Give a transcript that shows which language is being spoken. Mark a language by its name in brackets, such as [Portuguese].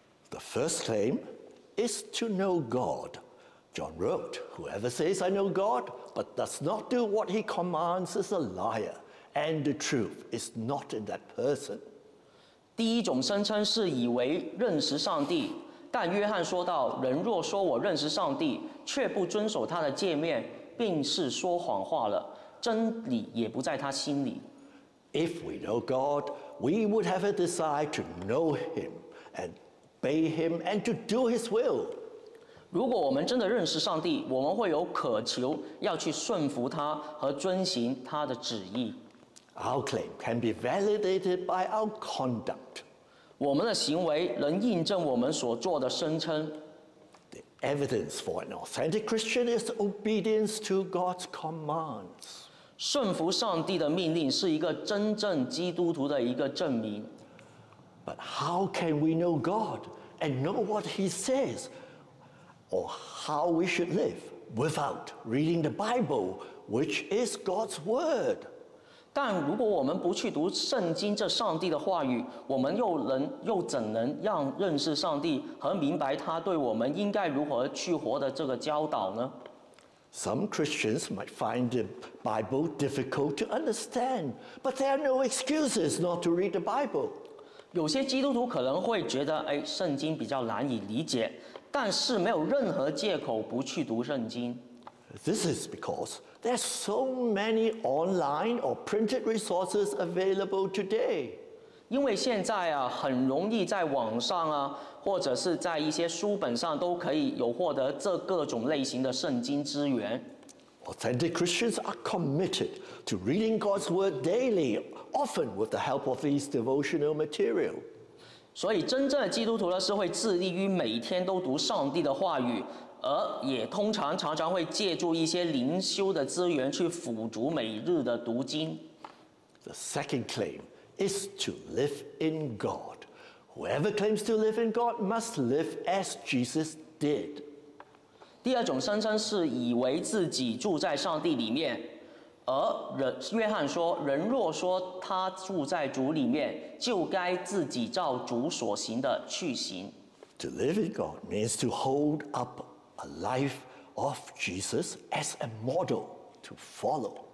[English] The first claim is to know God. John wrote, Whoever says I know God but does not do what he commands is a liarAnd the truth is not in that person. [Chinese] 第一种声称是以为认识上帝，但约翰说到，人若说我认识上帝，却不遵守他的诫命，便是说谎话了，真理也不在他心里。 [English] If we know God, we would have a desire to know Him and obey Him and to do His will. [Chinese] 如果我们真的认识上帝，我们会有渴求要去顺服他和遵行他的旨意。 [English] Our claim can be validated by our conduct. [Chinese] 我们的行为能印证我们所做的声称。 [English] The evidence for an authentic Christian is obedience to God's commands. [Chinese] 顺服上帝的命令是一个真正基督徒的一个证明。 [English] But how can we know God and know what He says? Or how we should live without reading the Bible, which is God's word. [Chinese] 但如果我们不去读圣经这上帝的话语，我们又怎能让认识上帝和明白他对我们应该如何去活的这个教导呢？ [English] Some Christians might find the Bible difficult to understand, but there are no excuses not to read the Bible. [Chinese] 有些基督徒可能会觉得，哎，圣经比较难以理解。但是没有任何借口不去读圣经。 [English] This is because there are so many online or printed resources available today. [Chinese] 因为现在啊，很容易在网上啊，或者是在一些书本上都可以有获得这各种类型的圣经资源。 [English] Authentic Christians are committed to reading God's word daily, often with the help of these devotional material. [Chinese] 所以真正的基督徒呢，是会致力于每天都读上帝的话语，而也通常常常会借助一些灵修的资源去辅助每日的读经。 [English] The second claim is to live in God. Whoever claims to live in God must live as Jesus did. [Chinese] 第二种声称是以为自己住在上帝里面。而人约翰说，人若说他住在主里面，就该自己照主所行的去行。 [English] To live in God means to hold up a life of Jesus as a model to follow.